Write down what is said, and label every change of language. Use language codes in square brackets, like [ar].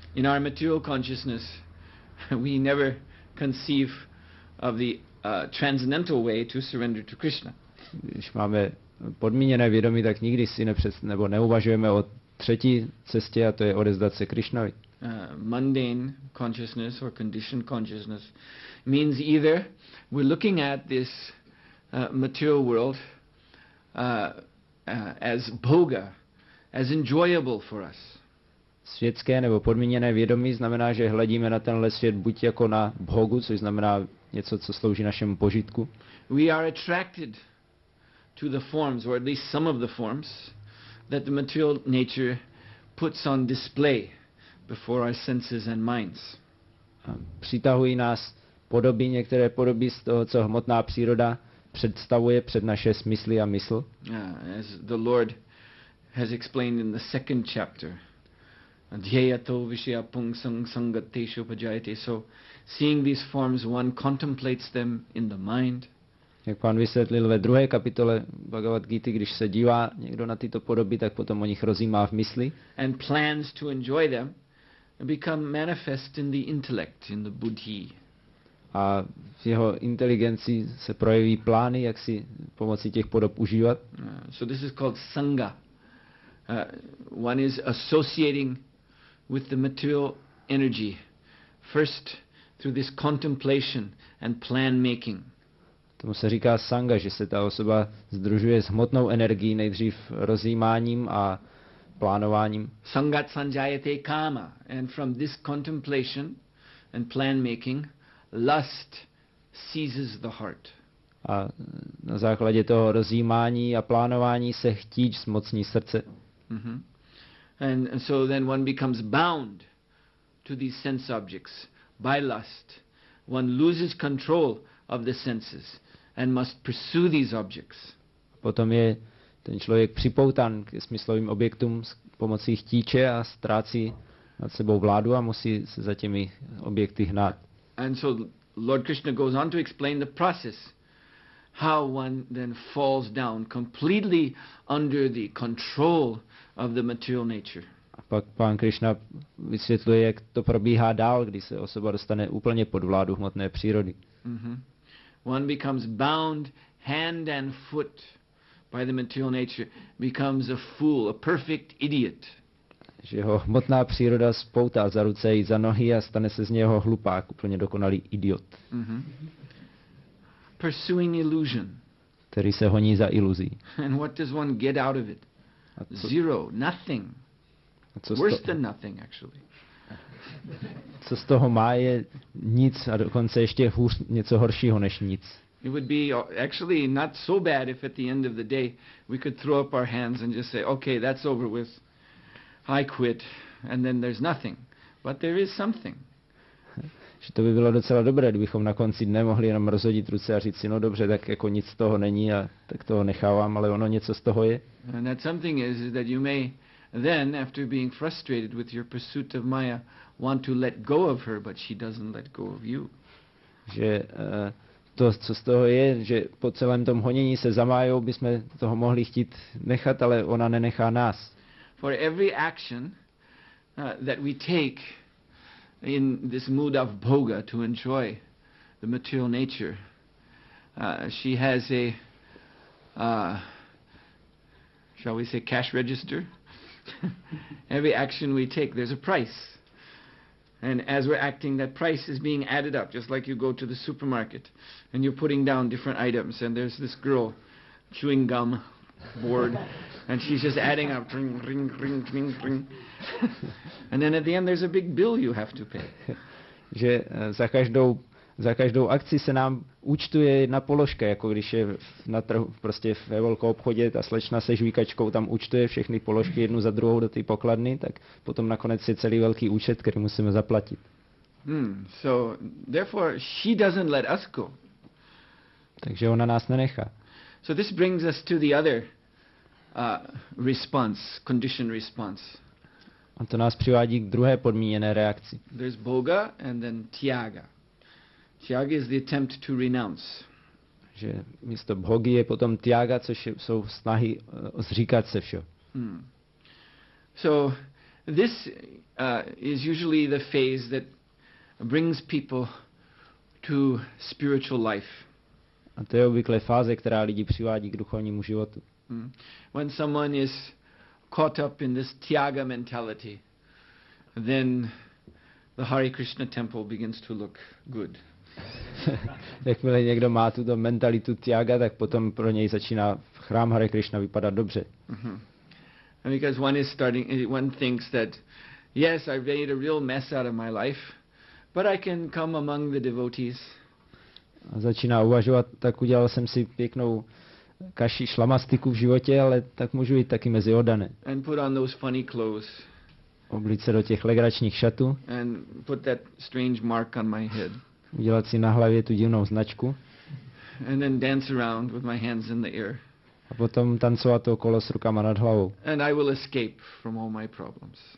[en] In our material consciousness, we never conceive of the transcendental way to surrender to Krishna. [cs] Když máme podmíněné vědomí, tak nikdy si neuvažujeme o třetí cestě, a to je odezdat se Krišnovi. [en] Mundane consciousness or conditioned consciousness means either we're looking at this material world as bhoga, as enjoyable for us. [cs] Světské nebo podmíněné vědomí znamená, že hledíme na tenhle svět buď jako na bhogu, což znamená něco, co slouží našemu požitku. [en] We are attracted to the forms, or at least some of the forms, that the material nature puts on display before our senses and minds. [cs] Přitahují nás podoby, některé podoby z toho, co hmotná příroda představuje před naše smysly a mysl. [en] As the Lord has explained in the second chapter, [sa] dhyayato vishaya pungsang sangateshu pajayate. [en] So, seeing these forms, one contemplates them in the mind. [cs] Jak pán vysvětlil ve druhé kapitole Bhagavad Gita, když se dívá někdo na tyto podoby, tak potom o nich rozjímá v mysli. [en] And plans to enjoy them become manifest in the intellect, in the buddhi. [cs] A v jeho inteligenci se projeví plány, jak si pomocí těch podob užívat. [en] So this is called sangha. One is associating with the material energy first through this contemplation and plan making. [cs] Tomu se říká sangha, že se ta osoba sdružuje s hmotnou energií nejdřív rozjímáním a plánováním. [sa] Sangat sanjayate kama, [en] and from this contemplation and plan making, lust seizes the heart. [cs] A na základě toho rozjímání a plánování se chtíč zmocní srdce. Mm-hmm. [en] And so then one becomes bound to these sense objects by lust. One loses control of the senses and must pursue these objects. [cs] Potom je ten člověk připoután k smyslovým objektům pomocí chtíče a ztrácí nad sebou vládu a musí se za těmi objekty hnát. [en] And so Lord Krishna goes on to explain the process, how one then falls down completely under the control of the material nature. [cs] A pak pán Krishna vysvětluje, jak to probíhá dál, když se osoba dostane úplně pod vládu hmotné přírody. Mm-hmm. [en] One becomes bound hand and foot by the material nature, becomes a fool, a perfect idiot. [cs] Že jeho hmotná příroda spoutá za ruce i za nohy a stane se z něho hlupák, úplně dokonalý idiot. [en] Mm-hmm. Pursuing illusion. [cs] Který se honí za iluzí. [en] And what does one get out of it? Zero, nothing. Worse than nothing, actually. [cs] Co z toho má, je nic a dokonce ještě hůř, něco horšího než nic. [en] It would be actually not so bad if at the end of the day we could throw up our hands and just say, okay, that's over with, I quit, and then there's nothing. But there is something. [cs] že to by bylo docela dobré, kdybychom na konci dne mohli jenom rozhodit ruce a říct si, no dobře, tak jako nic z toho není a tak toho nechávám, ale ono něco z toho je. [en] And that something is that you may then, after being frustrated with your pursuit of Maya, want to let go of her, but she doesn't let go of you. [cs] Že to, co z toho je, že po celém tom honění se za Majou bychom toho mohli chtít nechat, ale ona nenechá nás. [en] For every action that we take in this mood of bhoga to enjoy the material nature, she has a, shall we say, cash register. Every action we take, there's a price. And as we're acting, that price is being added up, just like you go to the supermarket and you're putting down different items and there's this girl chewing gum board and she's just adding up, ring, ring, ring, ring, ring. And then at the end there's a big bill you have to pay. [cs] Že za každou akci se nám účtuje jedna položka, jako když je na trhu, prostě ve velkou obchodě ta slečna se žvíkačkou tam účtuje všechny položky jednu za druhou do té pokladny, tak potom nakonec je celý velký účet, který musíme zaplatit. [en] So therefore she doesn't let us go. [cs] Takže ona nás nenechá. [en] So this brings us to the other response, condition response. [cs] A to nás přivádí k druhé podmíněné reakci. [en] There's bhoga and then tyaga. Tyaga is the attempt to renounce. [cs] Že místo bhogy je potom tyaga, což jsou snahy zříkat se všeho. [en] So this is usually the phase that brings people to spiritual life. [cs] A to je obvykle fáze, která lidi přivádí k duchovnímu životu. [en] When someone is caught up in this tyaga mentality, then the Hare Krishna temple begins to look good. [cs] Jakmile někdo má tuto mentalitu tyaga, tak potom pro něj začíná chrám Hare Krishna vypadat dobře. [en] And because one thinks that, yes, I've made a real mess out of my life, but I can come among the devotees. [cs] A začíná uvažovat, tak udělal jsem si pěknou kaši šlamastiku v životě, ale tak můžu jít taky mezi oddané. [en] And put on those funny clothes. [cs] Oblít se do těch legračních šatů. [en] And put that strange mark on my head. [cs] Udělat si na hlavě tu divnou značku. [en] And then dance around with my hands in the air. [cs] A potom tancovat to okolo s rukama nad hlavou. [en] And I will escape from all my problems.